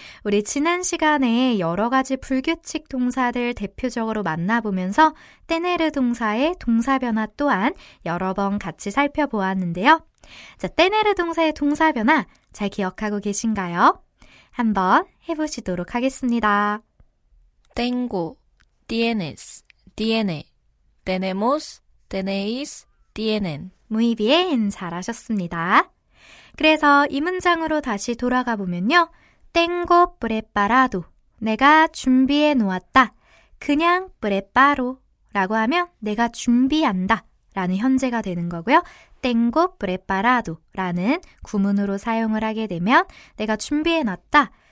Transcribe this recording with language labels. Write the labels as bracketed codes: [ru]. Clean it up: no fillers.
[ko] 우리 지난 시간에 여러 가지 불규칙 동사들 대표적으로 만나보면서 떼내르 동사의 동사 변화 또한 여러 번 같이 살펴보았는데요. 자, 떼내르 동사의 동사 변화 잘 기억하고 계신가요? 한번 해보시도록 하겠습니다. [es] Tengo, tienes, tiene, tenemos, tenéis, tienen. Muy bien, [ko] 잘하셨습니다. 그래서 이 문장으로 다시 돌아가 보면요. Tengo preparado, 내가 준비해 놓았다. 그냥 preparo 라고 하면 내가 준비한다 라는 현재가 되는 거고요. Tengo preparado 라는 구문으로 사용을 하게 되면 내가 준비해 놨다.